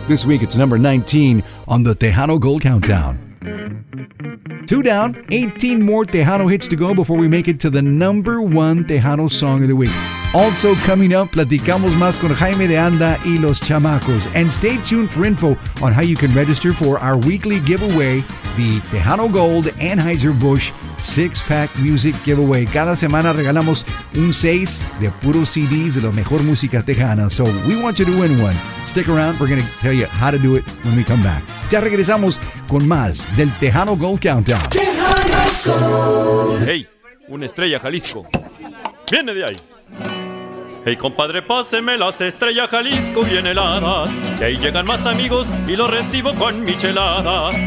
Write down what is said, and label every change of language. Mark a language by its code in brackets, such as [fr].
[en] This week it's number 19 on the Tejano Gold Countdown. Two down, 18 more Tejano hits to go before we make it to the number one Tejano song of the week. Also coming up, [es] platicamos más con Jaime de Anda y los chamacos. [en] And stay tuned for info on how you can register for our weekly giveaway, the Tejano Gold Anheuser-Busch 6-Pack Music Giveaway. [es] Cada semana regalamos un 6 de puro CDs de la mejor música tejana. [en] So we want you to win one. Stick around, we're going to tell you how to do it when we come back. [es] Ya regresamos con más del Tejano Gold Countdown. Tejano Gold. Hey, una estrella Jalisco. Viene de ahí. Hey compadre, páseme las estrellas Jalisco bien heladas. Y ahí llegan más amigos y los recibo con micheladas.